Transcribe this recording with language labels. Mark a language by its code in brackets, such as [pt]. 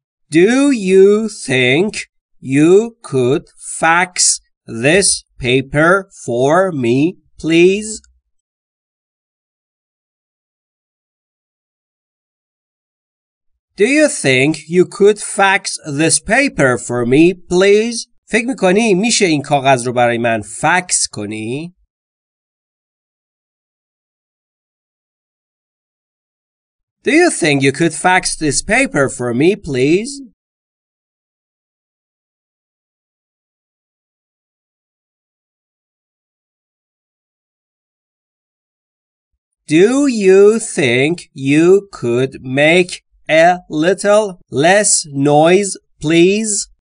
[en] Do you think you could fax this paper for me, please? Do you think you could fax this paper for me, please? [fa] فکر میکنی میشه این کاغذ رو برای من فکس کنی؟ [en] Do you think you could fax this paper for me, please? Do you think you could make a little less noise, please?